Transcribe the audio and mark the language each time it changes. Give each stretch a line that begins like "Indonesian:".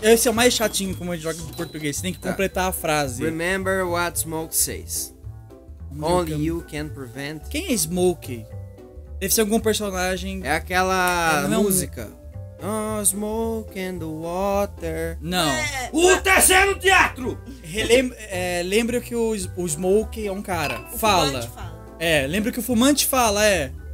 Portuguese: Esse é o mais chatinho como a gente joga em português. Você tem que completar a frase.
English: Remember what Smoke says. Only you can prevent.
Portuguese: Quem é Smokey? Deve ser algum personagem. É aquela música.
English: Oh, smoke and the water.
Portuguese: Não. O terceiro teatro! Lembra que o Smoke é um cara. O fala. Fumante fala. É, lembra que o fumante fala, é.